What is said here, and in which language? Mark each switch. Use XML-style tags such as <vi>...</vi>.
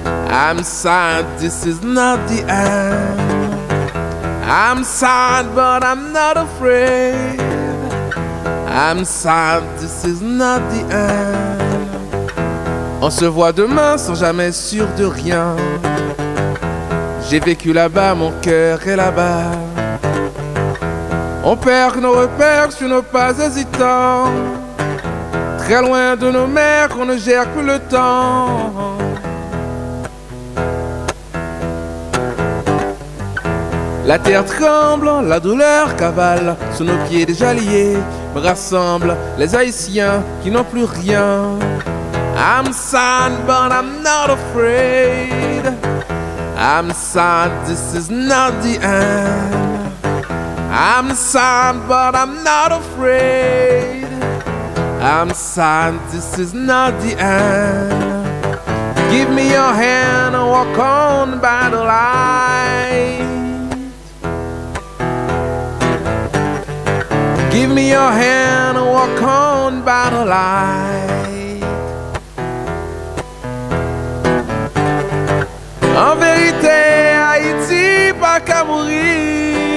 <en>I'm sad, this is not the end. I'm sad, but I'm not afraid. I'm sad, this is not the end.</en> <fr>On se voit demain sans jamais sûr de rien. J'ai vécu là-bas, mon cœur est là-bas. On perd nos repères sur nos pas hésitants. Très loin de nos mères, on ne gère plus le temps. La terre tremble, la douleur cavale sous nos pieds déjà liés. Me rassemble les Haïtiens qui n'ont plus rien.</fr> <en>I'm sad, but I'm not afraid. I'm sad, this is not the end. I'm sad, but I'm not afraid. I'm sad, this is not the end. Give me your hand and walk on by the light. Give me your hand and walk on by the light.</en> <fr>En vérité, Haïti pas qu'à mourir.</fr>